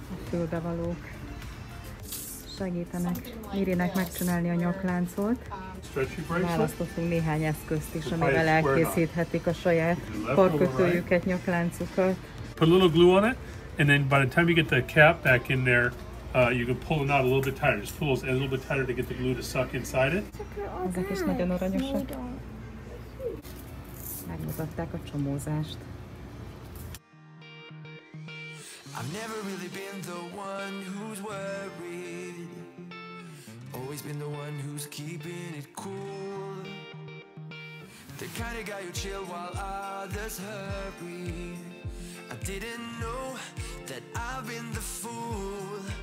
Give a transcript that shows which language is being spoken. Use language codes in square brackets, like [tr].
[hu] Fülbevalók segítenek Mirinek megcsinálni a nyakláncot. Választottunk néhány eszközt is, amivel elkészíthetik a saját karkötőjüket, nyakláncukat. [en] Put a little glue on it, and then by the time you get the cap back in there, you can pull it out a little bit tighter. Just pull those ends a little bit tighter to get the glue to suck inside it. [hu] Ezek is nagyon aranyosak. Megmutatták a csomózást. [en] I've never really been the one who's worried. Always been the one who's keeping it cool. The kind of guy who chill while others hurry. I didn't know that I've been the fool.